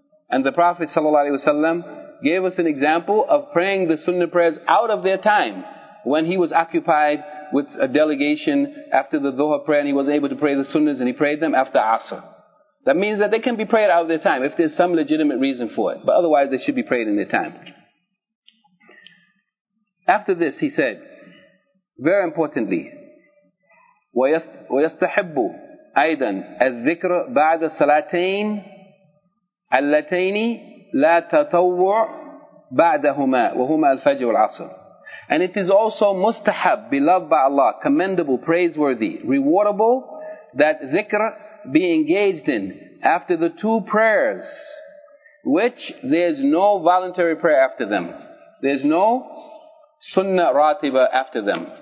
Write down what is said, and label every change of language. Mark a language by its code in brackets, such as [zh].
[en] And the Prophet ﷺ gave us an example of praying the sunnah prayers out of their time when he was occupied with a delegation after the dhuha prayer, and he wasn't able to pray the sunnahs, and he prayed them after asr. That means that they can be prayed out of their time if there's some legitimate reason for it, but otherwise they should be prayed in their time. After this, he said, very importantly, وَيَسْتَحِبُّ [ar] أيضا الذكر بعد الصلاتين اللتين لا تطوع بعدهما وهما الفجر والعصر. [en] And it is also mustahab, beloved by Allah, commendable, praiseworthy, rewardable, that dhikr be engaged in after the two prayers, which there is no voluntary prayer after them. There is no sunnah ratiba after them.